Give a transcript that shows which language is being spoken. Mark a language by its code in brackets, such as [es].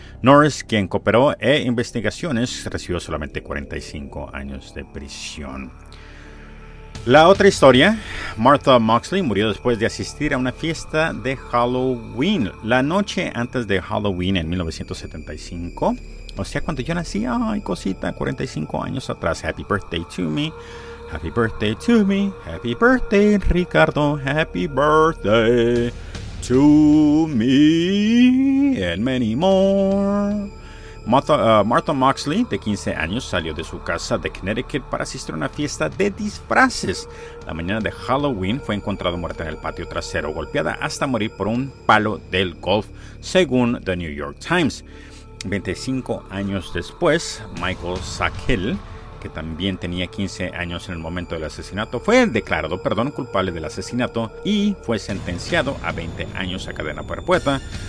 [es] Norris, quien cooperó en investigaciones, recibió solamente 45 años de prisión. La otra historia, Martha Moxley murió después de asistir a una fiesta de Halloween. La noche antes de Halloween en 1975, o sea, cuando yo nací, ay cosita, 45 años atrás. [en] Happy birthday to me, happy birthday to me, happy birthday Ricardo, happy birthday to me and many more. [es] Martha Moxley, de 15 años, salió de su casa de Connecticut para asistir a una fiesta de disfraces. La mañana de Halloween fue encontrada muerta en el patio trasero, golpeada hasta morir por un palo del golf, según The New York Times. 25 años después, Michael Sakel, que también tenía 15 años en el momento del asesinato, fue declarado, culpable del asesinato y fue sentenciado a 20 años a cadena perpetua.